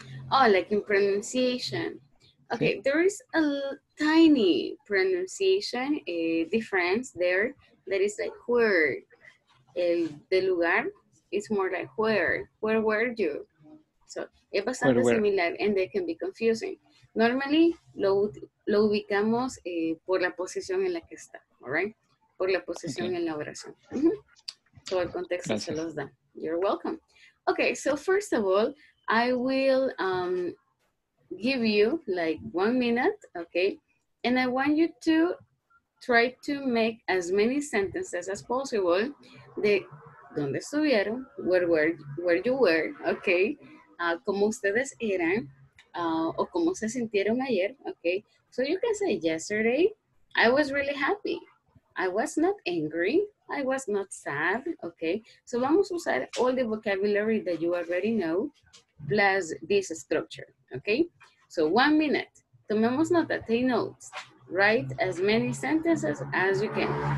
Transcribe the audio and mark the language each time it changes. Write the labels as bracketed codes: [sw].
[en] Oh, like in pronunciation. Okay, [es] sí. [en] There is a tiny pronunciation difference there. That is like where, [es] el de lugar, [en] it's more like where were you? So, [es] es bastante similar, [en] and they can be confusing. Normally, [es] lo ubicamos por la posición en la que está, [en] all right? [es] Por la posición en la oración. Mm-hmm. Todo el contexto se los da. [en] You're welcome. Okay, so first of all, I will give you like 1 minute, okay? And I want you to try to make as many sentences as possible. [es] De dónde estuvieron, [en] where you were, okay? [es] Cómo ustedes eran, o cómo se sintieron ayer, [en] okay? So you can say, yesterday, I was really happy. I was not angry. I was not sad, okay? So [es] vamos a usar [en] all the vocabulary that you already know, plus this structure, okay? So 1 minute, [es] tomemos nota, [en] take notes. Write as many sentences as you can.